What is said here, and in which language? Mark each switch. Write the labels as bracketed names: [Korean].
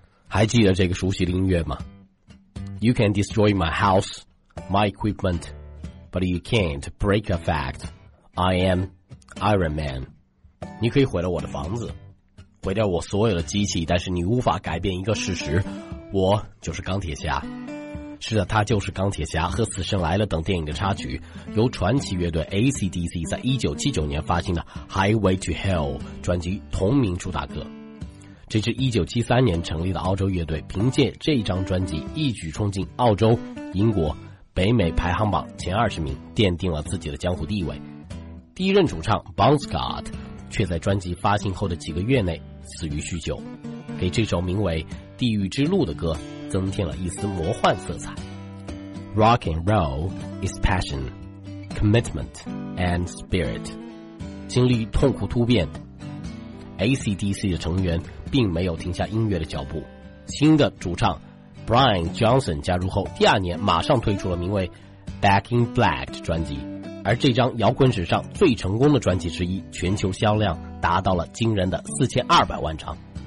[Chinese] 还记得这个熟悉的音乐吗？ [English] You can destroy my house, my equipment, but you can't break a fact. I am Iron Man. [Chinese] 你可以毁了我的房子，毁掉我所有的机器，但是你无法改变一个事实，我就是钢铁侠。是的，他就是钢铁侠，和《死神来了》等电影的插曲，由传奇乐队 AC/DC 在1979年发行的 Highway to Hell 专辑同名主打歌。这支1973年成立的澳洲乐队凭借这一张专辑一举冲进澳洲、英国、北美排行榜前20名，奠定了自己的江湖地位。第一任主唱 Bon Scott 却在专辑发行后的几个月内死于酗酒，给这首名为《地狱之路》的歌增添了一丝魔幻色彩。 [English] Rock and roll is passion, commitment and spirit. [Chinese] 经历痛苦突变，AC/DC 的成员并没有停下音乐的脚步。新的主唱 Brian Johnson 加入后，第二年马上推出了名为 Back in Black 的专辑，而这张摇滚史上最成功的专辑之一，全球销量达到了惊人的4200万张。